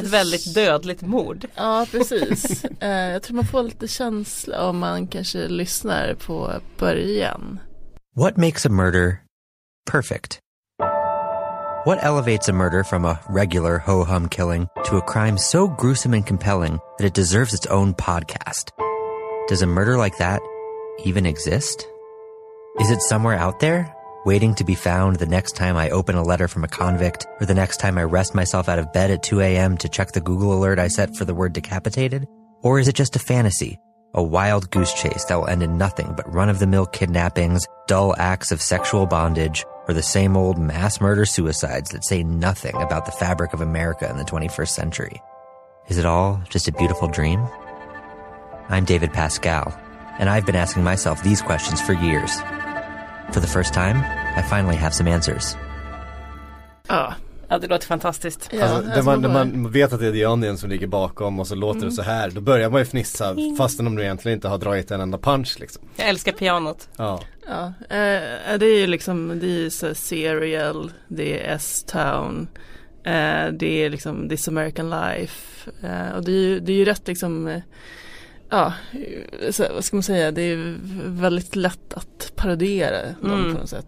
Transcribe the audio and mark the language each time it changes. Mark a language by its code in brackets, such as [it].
[sv] Ett väldigt dödligt mord. Ja, precis. Jag tror man får lite känsla om man kanske lyssnar på början. [en] What makes a murder perfect? What elevates a murder from a regular ho-hum killing to a crime so gruesome and compelling that it deserves its own podcast? Does a murder like that even exist? Is it somewhere out there, waiting to be found the next time I open a letter from a convict or the next time I rest myself out of bed at 2 a.m. to check the Google alert I set for the word decapitated? Or is it just a fantasy, a wild goose chase that will end in nothing but run-of-the-mill kidnappings, dull acts of sexual bondage, or the same old mass murder suicides that say nothing about the fabric of America in the 21st century? Is it all just a beautiful dream? I'm David Pascal, and I've been asking myself these questions for years. For the first time, I finally have some answers. Oh. [sv] Ja, det låter fantastiskt. Ja, alltså, när man vet att det är The Onion som ligger bakom och så låter det så här, då börjar man ju fnissa fastän om du egentligen inte har dragit en enda punch. Liksom. Jag älskar pianot. Ja. Ja, det är ju liksom, det är så Serial, det är S-Town, det är liksom This American Life, och det är ju rätt liksom, ja, så, vad ska man säga, det är väldigt lätt att parodera dem på något sätt.